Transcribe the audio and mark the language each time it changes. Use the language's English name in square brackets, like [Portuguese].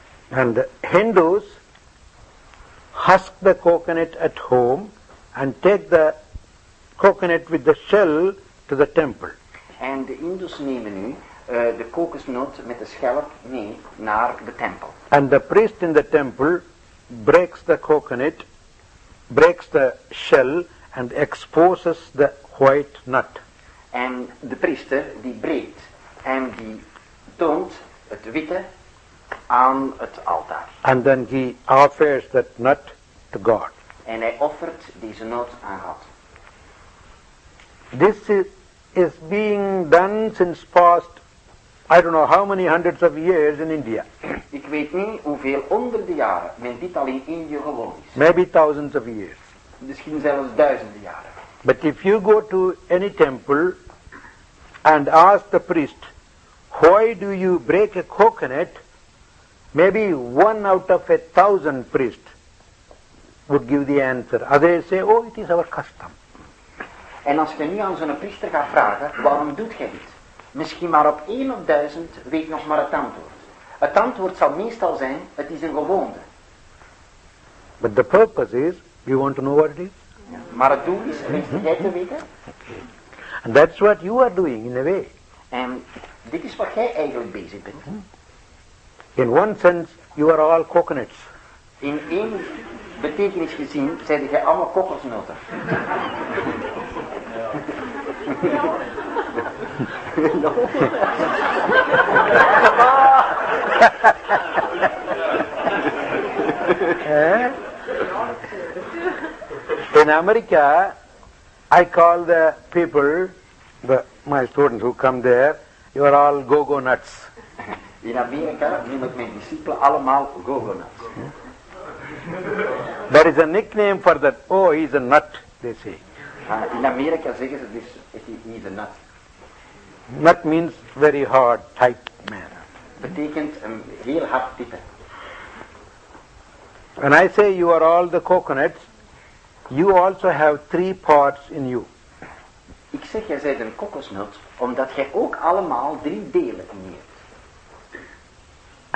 [English] And the Hindus husk the coconut at home and take the coconut with the shell to the temple. [Dutch] En de Hindus nemen nu de kokosnoot met de schelp mee naar de tempel. [English] And the priest in the temple breaks the coconut, breaks the shell and exposes the white nut. [Dutch] En de priester die breekt en die toont het witte aan het altaar. [English] And then he offers that nut to God. [Dutch] En hij offert deze noot aan God. [English] This is being done since past, I don't know how many hundreds of years in India. [Dutch] Ik weet niet hoeveel honderden jaren men dit al in Indië gewoon is. [English] Maybe thousands of years. [Dutch] Misschien zelfs duizenden jaren. [English] But if you go to any temple and ask the priest, why do you break a coconut? Maybe one out of 1,000 priests would give the answer. Others say, oh, it is our custom. [Dutch] En als je nu aan zo'n priester gaat vragen, waarom doet jij dit? Misschien maar op 1 op 1000 weet nog maar het antwoord. Het antwoord zal meestal zijn, het is een gewoonte. [English] But the purpose is, you want to know what it is? [Dutch] Ja. Maar het doel is, wist jij te weten? [English] And that's what you are doing, in a way. [Dutch] En dit is wat jij eigenlijk bezig bent. [English] In one sense, you are all coconuts. [Dutch] In één betekenis gezien, zijn jij allemaal kokosnoten. [English] In America, I call the people, my students who come there, you are all go-go nuts. [Dutch] In America, noem ik mijn discipelen allemaal [English] go-go nuts. There is a nickname for that. Oh, he's a nut, they say. [Dutch] In America zeggen ze dus, [English] he's a nut. Nut means very hard, tight man. [Dutch] Betekent een heel hard type. [English] When I say you are all the coconuts, you also have three parts in you. [Dutch] Ik zeg jij bent een kokosnoot, omdat jij ook allemaal drie delen in je hebt.